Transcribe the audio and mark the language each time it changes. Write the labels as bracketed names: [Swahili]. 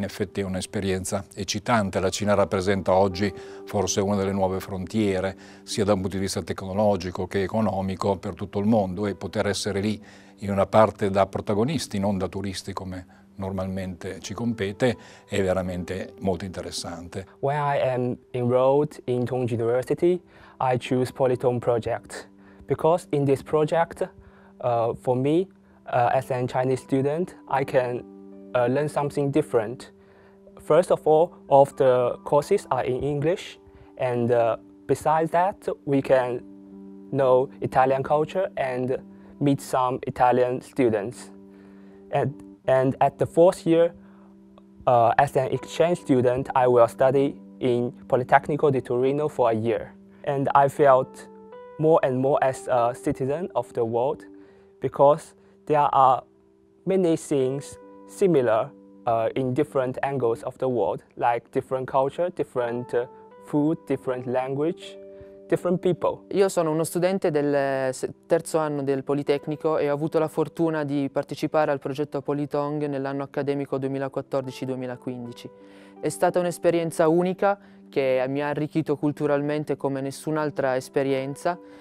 [Italian] In effetti è un'esperienza eccitante. La Cina rappresenta oggi forse una delle nuove frontiere, sia da un punto di vista tecnologico che economico, per tutto il mondo, e poter essere lì in una parte da protagonisti, non da turisti come normalmente ci compete, è veramente molto interessante. [English] When I am enrolled in Tongji University, I choose Politong project because in this project, for me, as a Chinese student, I can learn something different. First of all, of the courses are in English, and besides that, we can know Italian culture and meet some Italian students. And at the fourth year, as an exchange student, I will study in Politecnico di Torino for a year. And I felt more and more as a citizen of the world because there are many things similar in different angles of the world, like different culture, different food, different language, different people. [Italian] Io sono uno studente del terzo anno del Politecnico e ho avuto la fortuna di partecipare al progetto Politong nell'anno accademico 2014-2015. È stata un'esperienza unica che mi ha arricchito culturalmente come nessun'altra esperienza.